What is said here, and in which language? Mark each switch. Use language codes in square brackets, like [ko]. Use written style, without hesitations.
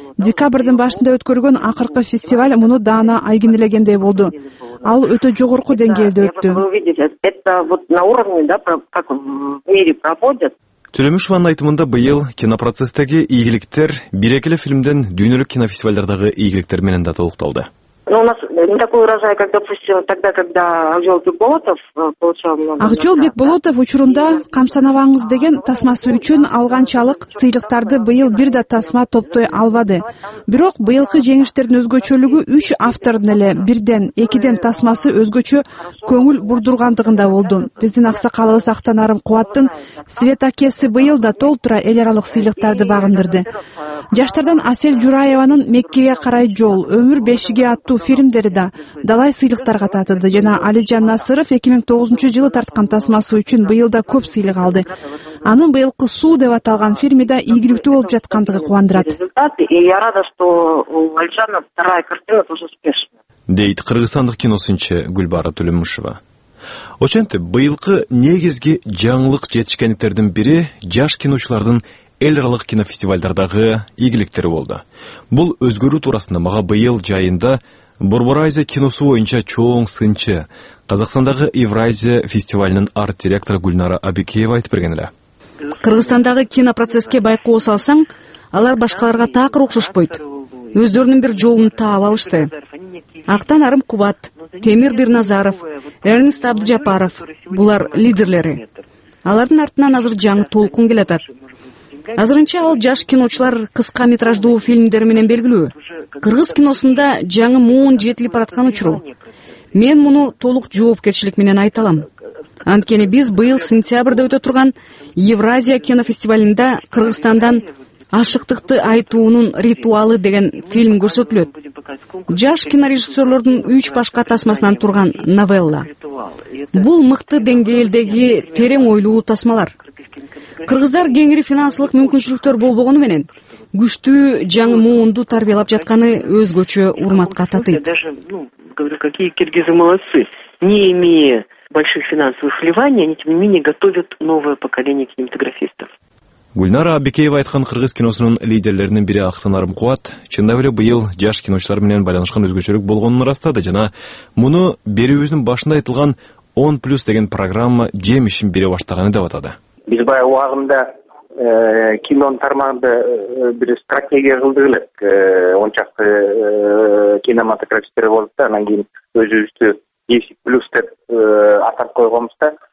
[ky] Декабрдын башында өткөргөн акыркы фестиваль муну даана айгинелегендей болду. Ал өтө жогорку деңгээлде өттү. Төлөмүшованын айтымында быйыл кинопроцесстеги ийгиликтер бир эки эле фильмден дүйнөлүк кинофестивалдардагы ийгиликтер менен да толукталды. [ru] Ну, у нас не такой урожай, как, допустим, тогда, когда Акжолбек Болотов получал много. [ky] Акжолбек Болотов учурунда камсанабаңыз деген тасмасы үчүн алганчалык сыйлыктарды быйыл бир да тасма топтой албады. Бирок быйылкы жеңиштердин өзгөчөлүгү үч автордун эле бирден экиден тасмасы өзгөчө көңүл бурдургандыгында болду. Биздин аксакалыбыз Актанарым Кубаттын Свет Акеси быйыл да толтура эл аралык сыйлыктарды багындырды. Жаштардан Асель Жураеванын Меккеге карай жол, Өмүр бешиги аттуу фильмдери да далай сыйлыктарга татылды жана Алижан Насыров 2009 жылы тарткан тасмасы үчүн быйыл да көп сыйлык алды. Анын быйылкы суу деп аталган фильми да ийгиликтүү болуп жаткандыгы кубандырат. [ru] Я рада, что у Алижана вторая картина тоже успешная. [ky] Дейт кыргызстандык киносунчу Гүлбара Түлүмүшова. Ошентип, быйылкы негизги жаңылык жетишкендердин бири жаш киночулардын эл аралык кинофестивалдардагы ийгиликтери болду. Бул өзгөрүү туурасында мага быйыл жайында Борборазия киносу боюнча чоң сынчы Казакстандагы Евразия фестивалынын арт-директору Гүлнара Абикеева айтып берген эле. Кыргызстандагы кинопроцесске байкоо салсаң, алар башкаларга таакыр окшошпойт. Өздөрүнүн бир жолун таап алышты. Актанарым Кубат, Темир Бирназаров, Эрнист Абдыжапаров булар лидерлери. Алардын артынан азыр жаңы толкун келе жатат. Азырынча ал жаш киночулар кыска метраждуу фильмдер менен белгилүү. Кыргыз киносунда жаңы муун жетилип бараткан учуру. Мен муну толук жоопкерчилик менен айта алам. Анткени биз быйыл сентябрда өтө турган Евразия кинофестивалында Кыргызстандан Ашыктыкты айтуунун ритуалы деген фильм көрсөтүлөт. Жаш кинорежиссерлордун үч башка тасмасынан турган новелла. Бул мыкты деңгээлдеги терең ойлуу тасмалар. Кыргыздар кеңири финансылык мүмкүнчүлүктөр болбогону менен күчтүү жаңы муунду тарбиялап жатканы өзгөчө урматка татыйт. [ru] Говорю, какие киргизы молодцы, не имея больших финансовых вливаний, они тем не менее готовят новое поколение кинематографистов. [ky] Гүлнара Абикеева айткан кыргыз киносунун лидерлеринин бири Актанарым Кубат чындап эле быйыл жаш киночулар менен байланышкан өзгөчөлүк болгонун ырастады жана муну берүүбүздүн башында айтылган 10+ деген программа жемишин бере баштаганы деп атады. Биз баягы убагында кинонун тармагында бир стратегия кылдык эле, он чакты кинематографистер болуп да анан кийин өзүбүздү 10+ деп атап койгонбуз да.